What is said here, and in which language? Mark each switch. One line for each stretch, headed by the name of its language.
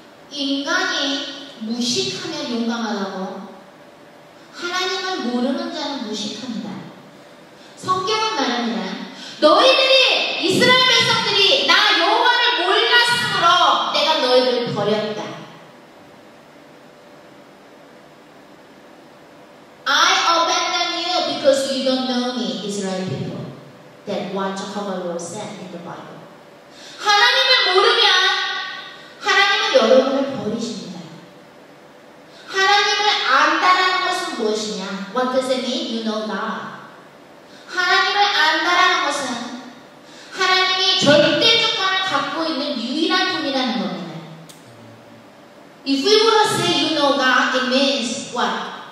Korean: 인간이 무식하면 용감하다고. 하나님을 모르는 자는 무식합니다. 성경은 말합니다. 너희들이 이스라엘 백성들이 나 여호와를 몰랐으므로 내가 너희들을 버렸다.
English: I abandon you because you don't know me, Israel people. That what Jehovah the Lord said in the Bible.
Korean: 하나님을 모르면 하나님은 여러분을 버리십니다. 하나님을 안다라는 것은 무엇이냐?
English: What does it mean? You know God.
Korean: 하나님을 안다라는 것은 하나님이 절대 주권을 갖고 있는 유일한 분이라는 겁니다.
English: If we were to say you know God, it means what?